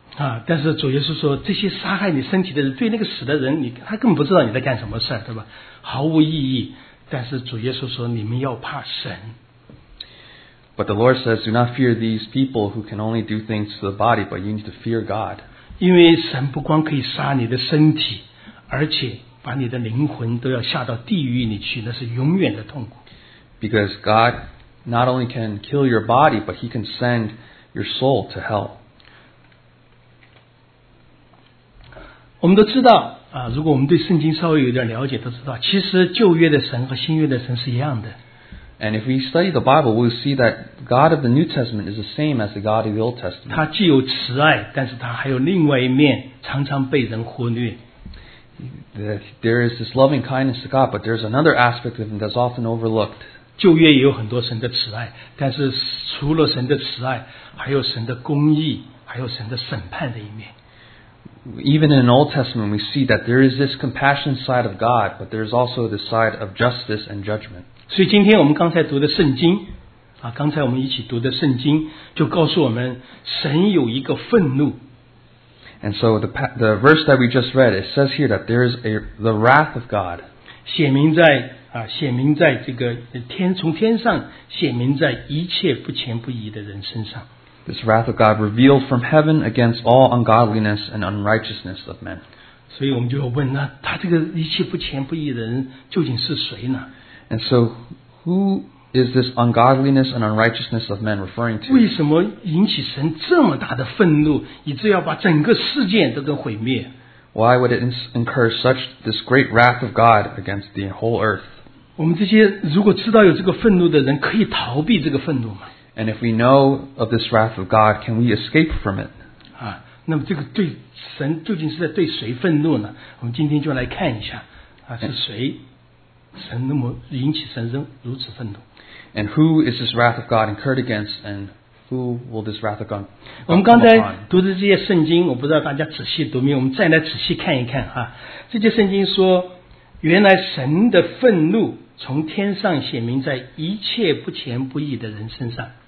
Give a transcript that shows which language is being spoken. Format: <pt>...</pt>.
<zh>啊，但是主耶稣说，这些杀害你身体的人，对那个死的人，他根本不知道你在干什么事儿，对吧？毫无意义。但是主耶稣说，你们要怕神。</zh> <en>But the Lord says, do not fear these people who can only do things to the body, but you need to fear God.</en> <zh>因为神不光可以杀你的身体。而且把你的灵魂都要下到地狱里去，那是永远的痛苦。</zh> <en>Because God not only can kill your body, but He can send your soul to hell.</en> <zh>我们都知道啊，如果我们对圣经稍微有点了解，都知道其实旧约的神和新约的神是一样的。</zh> <en>And if we study the Bible, we'll see that God of the New Testament is the same as the God of the Old Testament.</en> <zh>他既有慈爱，但是他还有另外一面，常常被人忽略。</zh> <en>There is this loving kindness to God, but there's another aspect of Him that's often overlooked.</en> <zh>旧约也有很多神的慈爱，但是除了神的慈爱，还有神的公义，还有神的审判的一面。</zh> <en>Even in Old Testament, we see that there is this compassionate side of God, but there is also the side of justice and judgment.</en> <zh>所以今天我们刚才读的圣经，啊，刚才我们一起读的圣经，就告诉我们神有一个愤怒。</zh> <en>And so the verse that we just read, it says here that there is the wrath of God.</en> <zh>显明在啊，显明在这个天从天上显明在一切不虔不义的人身上。</zh> <en>This wrath of God revealed from heaven against all ungodliness and unrighteousness of men.</en> <zh>所以我们就要问，那他这个一切不虔不义的人究竟是谁呢？</zh> <en>And so who is this ungodliness and unrighteousness of men referring to?</en> <zh>为什么引起神这么大的愤怒，以致要把整个世界都给毁灭？</zh> <en>Why would it incur such this great wrath of God against the whole earth?</en> <zh>我们这些如果知道有这个愤怒的人，可以逃避这个愤怒吗？</zh> <en>And if we know of this wrath of God, can we escape from it? 啊，</en> <zh>那么这个对神究竟是在对谁愤怒呢？我们今天就来看一下啊，是谁神那么引起神人如此愤怒</zh> <en>？And who is this wrath of God incurred against? And who will this wrath of God?</en> <zh>我们刚才读的这些圣经，我不知道大家仔细读没有，我们再来仔细看一看啊。这些圣经说，原来神的愤怒从天上显明在一切不虔不义的人身上。</zh>